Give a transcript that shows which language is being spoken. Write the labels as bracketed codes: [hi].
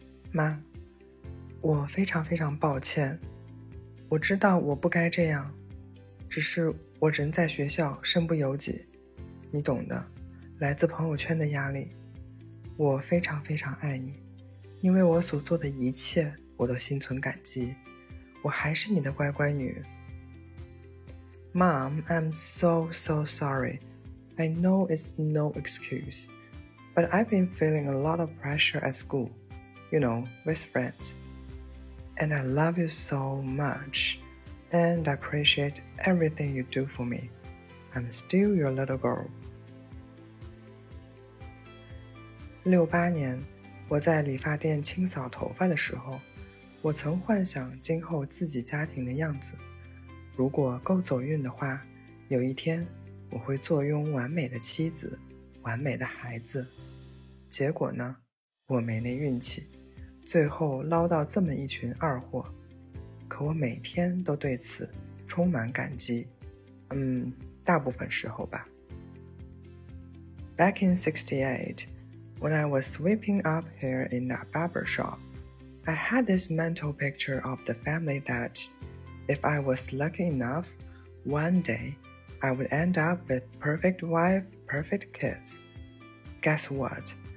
[zh] 妈，我非常非常抱歉，我知道我不该这样，只是我人在学校，身不由己，你懂的，来自朋友圈的压力。我非常非常爱你，你为我所做的一切我都心存感激，我还是你的乖乖女。 [en] Mom, I'm so so sorry. I know it's no excuse, but I've been feeling a lot of pressure at school, you know, with friends. And I love you so much, and I appreciate everything you do for me. I'm still your little girl. [zh] 68年，我在理发店清扫头发的时候，我曾幻想今后自己家庭的样子，如果够走运的话，有一天我会坐拥完美的妻子，完美的孩子。结果呢，我没那运气，最后捞到这么一群二货。可我每天都对此充满感激，大部分时候吧。 [en] Back in 68, when I was sweeping up here in that barber shop,I had this mental picture of the family that, if I was lucky enough, one day I would end up with perfect wife, perfect kids. Guess what?